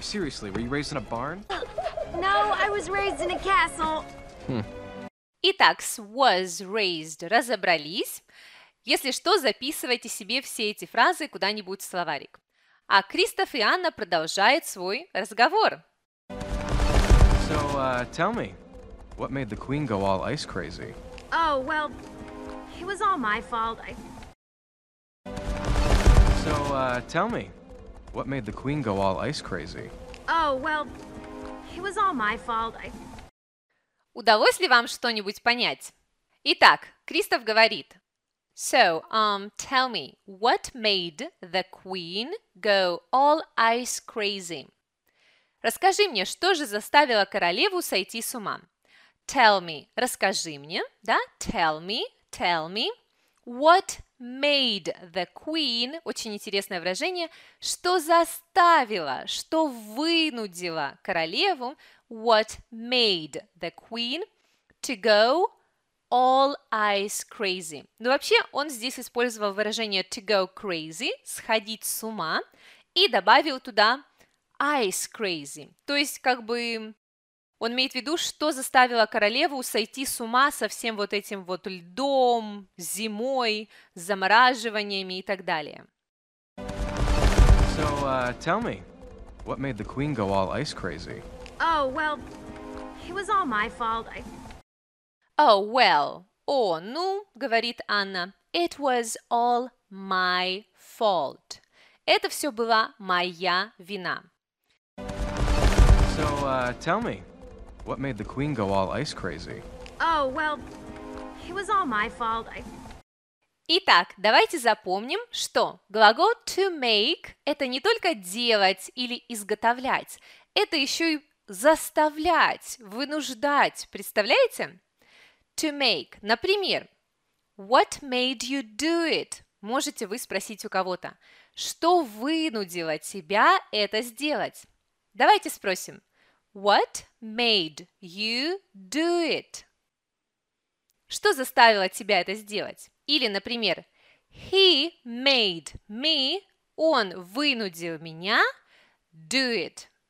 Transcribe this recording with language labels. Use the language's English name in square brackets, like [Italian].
[English] Seriously, were you raised in a barn? No, I was raised in a castle. [Russian] Итак, с [English] was raised [Russian] разобрались. Если что, записывайте себе все эти фразы куда-нибудь в словарик. А Кристоф и Анна продолжают свой разговор. [English] So, tell me, what made the queen go all ice crazy? Oh, well, it was all my fault. I... tell me, what made the queen go all ice crazy? Oh, well, it was all my fault. [Russian] Удалось ли вам что-нибудь понять? Итак, Кристоф говорит. [English] So, tell me, what made the queen go all ice crazy? [Russian] Расскажи мне, что же заставило королеву сойти с ума? [English] Tell me, [Russian] расскажи мне, да? [English] Tell me, what made the queen, [Russian] очень интересное выражение, что заставило, что вынудило королеву, [English] what made the queen to go all ice crazy. [Russian] Ну, вообще, он здесь использовал выражение [English] to go crazy, [Russian] сходить с ума, и добавил туда [English] ice crazy. [Russian] То есть, как бы, он имеет в виду, что заставило королеву сойти с ума со всем вот этим вот льдом, зимой, замораживаниями и так далее. [English] So, tell me, what made the queen go all ice crazy? Oh, well, it was all my fault. Oh, well, [Russian] ну, говорит Анна, [English] it was all my fault. [Russian] Это все была моя вина. [English] So, tell me, what made the queen go all ice crazy? Oh, well, it was all my fault. [Russian] Итак, давайте запомним, что глагол [English] to make [Russian] – это не только делать или изготовлять, это еще и заставлять, вынуждать, представляете? [English] To make. [Russian] Например, [English] what made you do it? [Russian] Можете вы спросить у кого-то. Что вынудило тебя это сделать? Давайте спросим. [English] What made you do it? [Russian] Что заставило тебя это сделать? Или, например, [English] he made me, [Russian] он вынудил меня [English] do it.